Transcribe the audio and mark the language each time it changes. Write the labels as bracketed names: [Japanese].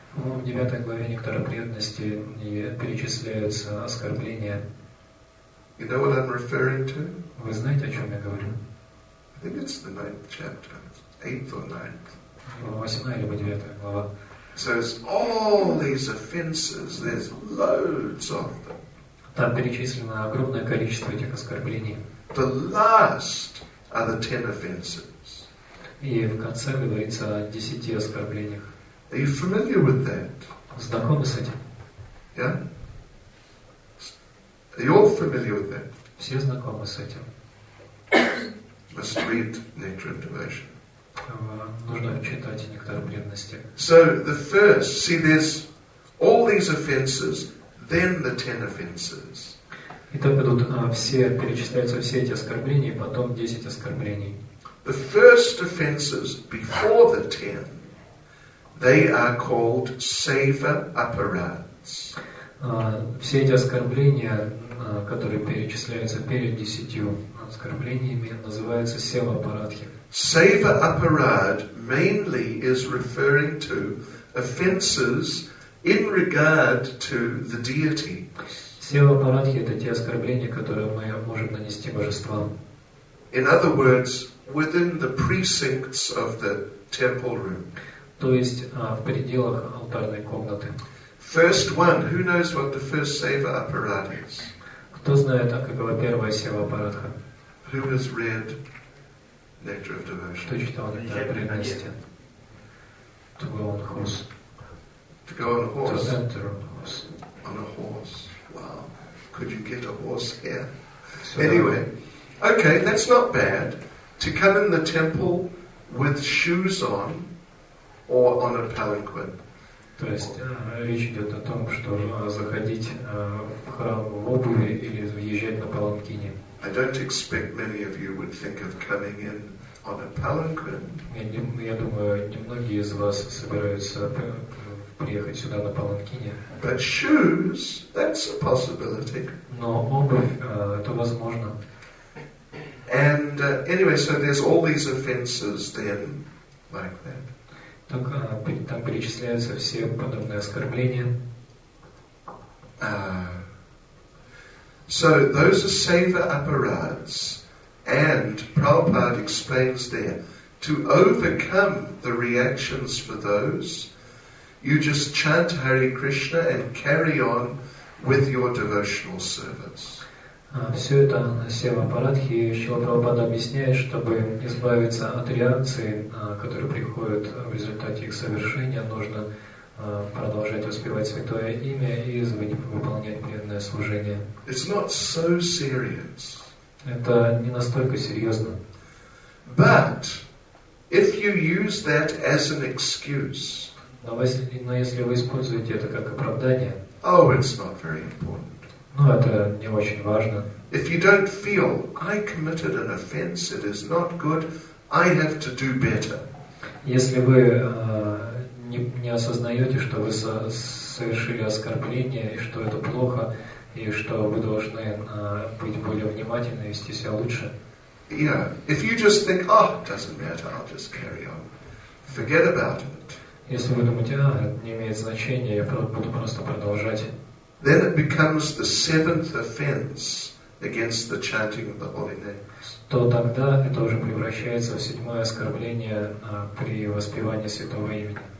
[Russian] В 9 главе Нектара Преданности перечисляются оскорбления. [English] You know what I'm referring to? [Russian] Вы знаете, о чем я говорю? [English] I think it's the 9th chapter, 8th or 9th. [Russian] 8 или 9 глава. [English] So it's all these offenses, there's loads of them. [Russian] Там перечислено огромное количество этих оскорблений. [English] The last are the 10 offenses. [Russian] И в конце говорится о 10 оскорблениях. [English] Are you familiar with that? [Russian] Знакомы с этим? [English] Yeah? Are you all familiar with that? [Russian] Все знакомы с этим. [English] Must read Nectar of Devotion. [Russian] Нужно читать Нектар Преданности. [English] So the first, see there's all these offenses, then the 10 offenses. [Russian] И так идут все, перечисляются все эти оскорбления, и потом 10 оскорблений. [English] The first offenses before the 10, they are called seva aparads. [Russian] Все эти оскорбления, которые перечисляются перед 10 оскорблениями, называются сева апарадхи. [English] Seva aparad mainly is referring to offenses in regard to the deity. [Russian] Сева парадхи — это те оскорбления, которые мы можем нанести божествам. [English] In other words, within the precincts of the temple room. [Russian] То есть в пределах алтарной комнаты. [English] First one, who knows what the first seva aparad is? [Russian] Кто знает, какова первая сева парадха? [English] Who has read Nectar of Devotion? [Russian] Кто читал Нектар Преданности? [English] To go on a horse. To go on a horse. To enter on a horse. On a horse. Could you get a horse here? So, anyway, okay, that's not bad. To come in the temple with shoes on or on a palanquin. [Russian] То есть речь идет о том, что заходить в храм в обуви или въезжать на паланкине. [English] I don't expect many of you would think of coming in on a palanquin. [Russian] Я думаю, немногие из вас собираются приехать сюда на паланкине. [English] But shoes, that's a possibility. [Russian] Но обувь, это возможно. [English] And anyway, so there's all these offenses then, like that. [Russian] Так, там перечисляются все подобные оскорбления. [English] So those are seva aparads, and Prabhupada explains there, to overcome the reactions for those, you just chant Hare Krishna and carry on with your devotional service. [Russian] Все это на сева парадхи, Шрила Прабхупада объясняет, чтобы избавиться от реакции, которые приходят в результате их совершения, нужно продолжать воспевать святое имя и выполнять преданное служение. [English] It's not so serious. [Russian] Это не настолько серьезно. [English] But if you use that as an excuse, [Russian] Но если вы используете это как оправдание, [English] oh, it's not very important. [Russian] Ну, это не очень важно. [English] If you don't feel I committed an offense, it is not good, I have to do better. [Russian] Если вы не осознаете, что вы совершили оскорбление, и что это плохо, и что вы должны быть более внимательны, вести себя лучше. [English] Yeah. If you just think, oh, it doesn't matter, I'll just carry on. forget about it. [Russian] Если вы думаете, а, это не имеет значения, я буду просто продолжать. [English] Then it becomes the seventh offense against the chanting of the holy name. [Russian] То тогда это уже превращается в седьмое оскорбление при воспевании святого имени.